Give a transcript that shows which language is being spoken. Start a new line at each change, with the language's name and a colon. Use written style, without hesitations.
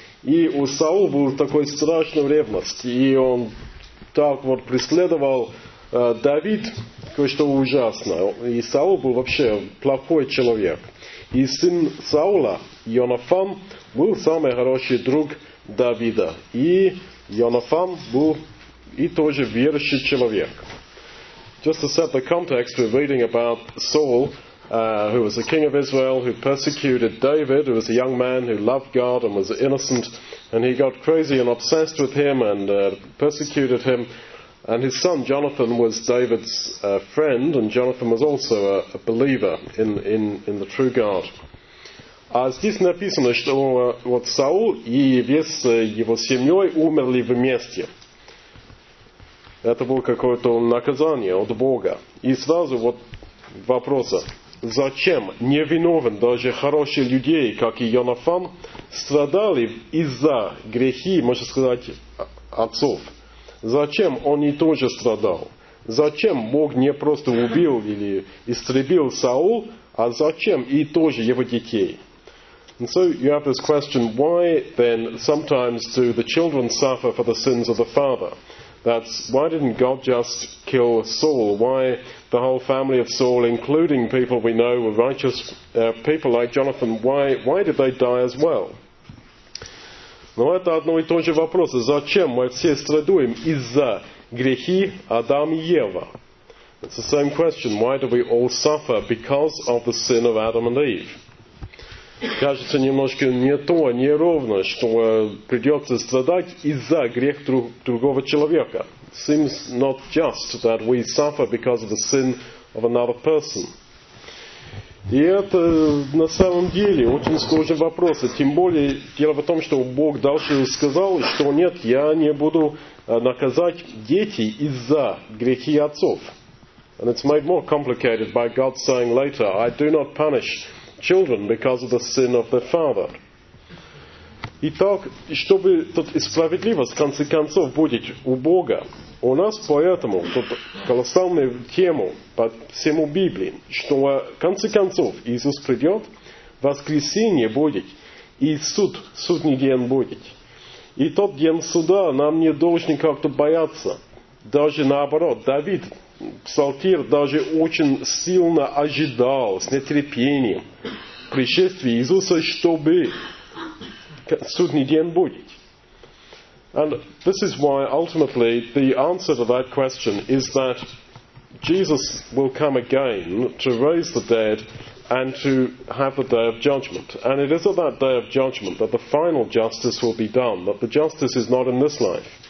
Russian: И у Саула был такой страшный ревность, и он так вот преследовал Давид, кое-что ужасное. И Саул был вообще плохой человек. И сын Саула, Йонафан, был самый хороший друг Давида. И Йонафан был и тоже верующий человек.
English: Just to set the context, we're reading about Saul, who was the king of Israel, who persecuted David, who was a young man who loved God and was innocent, and he got crazy and obsessed with him and persecuted him. And his son Jonathan was David's friend, and Jonathan was also a believer in the true God.
Russian: Здесь написано, что вот Саул и весь его семьей умерли вместе. Это было какое-то наказание от Бога. И сразу вот вопрос. Зачем невиновен даже хороший людей, как и Йонафан, страдали из-за грехи, можно сказать, отцов? Зачем он и тоже страдал? Зачем Бог не просто убил или истребил Саул, а зачем и тоже его детей?
English: And so you have this question, why then sometimes do the children suffer for the sins of the father? That's why didn't God just kill Saul? Why the whole family of Saul, including people we know were righteous people like Jonathan, why did they die as well?
Russian: Но это одно и то же вопрос. Зачем мы все страдаем из-за грехи Адам и Ева?
English: It's the same question. Why do we all suffer because of the sin of Adam and Eve?
Russian: Кажется немножко не то, не ровно, что придется страдать из-за грех другого человека.
English: Seems not just that we suffer because of the sin of another person.
Russian: И это на самом деле очень сложный вопрос. Тем более, дело в том, что Бог дальше сказал, что нет, я не буду наказать детей из-за грехи отцов.
English: And it's made more complicated by God saying later, I do not punish children because of the sin of their father.
Russian: Итак, чтобы тут справедливость в конце концов будет у Бога, у нас поэтому тут колоссальная тема по всему Библии, что в конце концов Иисус придет, воскресение будет, и суд, судный день будет. И тот день суда нам не должен как-то бояться. Даже наоборот, Давид, псалтир, даже очень сильно ожидал с нетерпением пришествия Иисуса, чтобы судный день будет.
English: And this is why, ultimately, the answer to that question is that Jesus will come again to raise the dead and to have the day of judgment. And it is at that day of judgment that the final justice will be done, that the justice is not in this life.